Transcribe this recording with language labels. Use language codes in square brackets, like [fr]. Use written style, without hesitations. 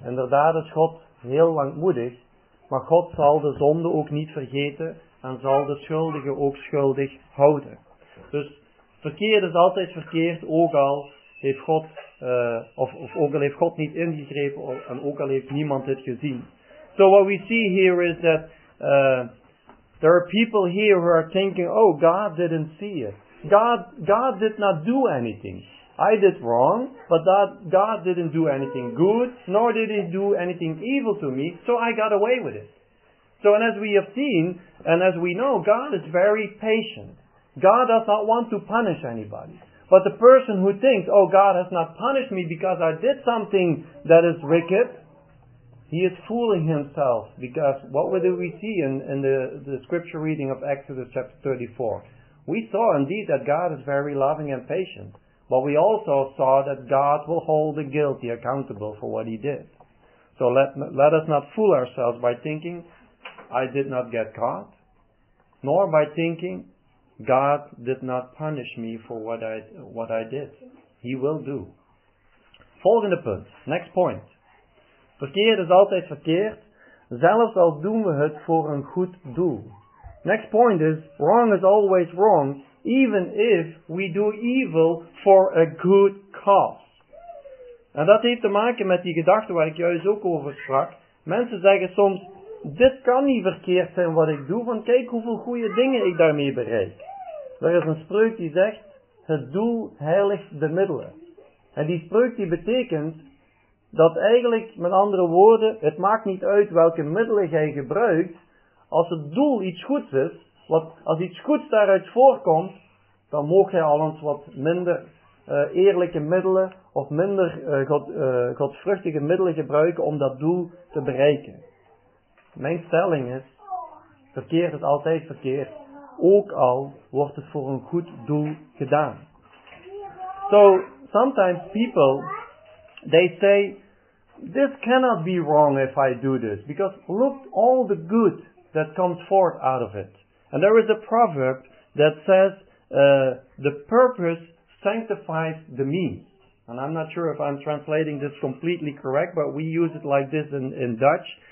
[nl] Inderdaad is God heel langmoedig, maar God zal de zonde ook niet vergeten en zal de schuldige ook schuldig houden. Dus verkeerd is altijd verkeerd, ook al heeft God ook al heeft God niet ingegrepen en ook al heeft niemand het gezien. [en] So what we see here is that there are people here who are thinking, oh, God didn't see it. God did not do anything. I did wrong, but God didn't do anything good, nor did he do anything evil to me, so I got away with it. So and as we have seen, and as we know, God is very patient. God does not want to punish anybody. But the person who thinks, oh, God has not punished me because I did something that is wicked, he is fooling himself. Because what do we see in the scripture reading of Exodus chapter 34? We saw indeed that God is very loving and patient. But we also saw that God will hold the guilty accountable for what he did. So let us not fool ourselves by thinking, I did not get caught. Nor by thinking, God did not punish me for what I did. He will do. [nl] Volgende punt. [en] Next point. [nl] Verkeerd is altijd verkeerd. Zelfs al doen we het voor een goed doel. [en] Next point is, wrong is always wrong, even if we do evil for a good cause. [nl] En dat heeft te maken met die gedachte waar ik juist ook over sprak. Mensen zeggen soms, dit kan niet verkeerd zijn wat ik doe, want kijk hoeveel goede dingen ik daarmee bereik. Er is een spreuk die zegt, het doel heiligt de middelen. En die spreuk die betekent, dat eigenlijk, met andere woorden, het maakt niet uit welke middelen jij gebruikt, als het doel iets goeds is, wat, als iets goeds daaruit voorkomt, dan mag jij al eens wat minder eerlijke middelen, of minder godsvruchtige middelen gebruiken om dat doel te bereiken. Mijn stelling is, verkeerd is altijd verkeerd. Ook al wordt het voor een goed doel gedaan. [en] So, sometimes people they say, this cannot be wrong if I do this, because look all the good that comes forth out of it. And there is a proverb that says, the purpose sanctifies the means. And I'm not sure if I'm translating this completely correct, but we use it like this in Dutch.